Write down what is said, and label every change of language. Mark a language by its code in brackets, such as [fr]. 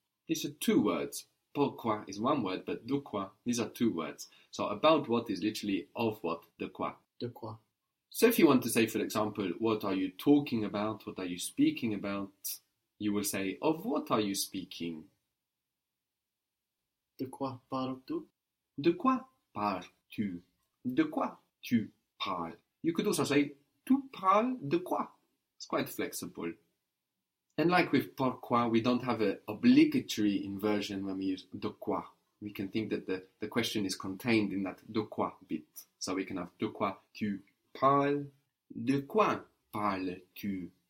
[en] These are two words. Pourquoi is one word, but de quoi, these are two words. So, about what is literally of what, de quoi. [fr] De quoi. [en] So, if you want to say, for example, what are you talking about, what are you speaking about, you will say, of what are you speaking? [fr] De quoi parles-tu? De quoi parles-tu? De quoi tu parles. [en] You could also say, [fr] tu parles de quoi? [en] It's quite flexible. And like with pourquoi, we don't have an obligatory inversion when we use de quoi. We can think that the question is contained in that de quoi bit. So we can have [fr] de quoi tu parles, de quoi parles-tu?